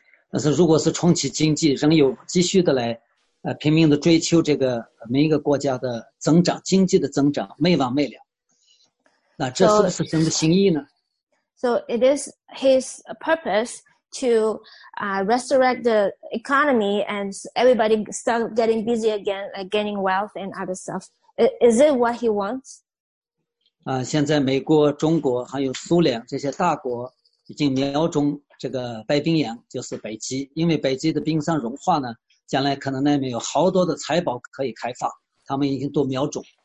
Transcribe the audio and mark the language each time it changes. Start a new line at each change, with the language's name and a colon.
Chinese: 但是如果是重启经济，仍有继续的来拼命的追求这个每一个国家的增长，经济的增长没完没了。那这是不是神的心意呢？
English: So it is his purpose to resurrect the economy and everybody start getting busy again, like getting wealth and other stuff. Is it what he wants?
Chinese: 现在美国、中国还有苏联这些大国已经瞄准这个白冰洋，就是北极，因为北极的冰山融化呢，将来可能那边有好多的财宝可以开发，他们已经都瞄准。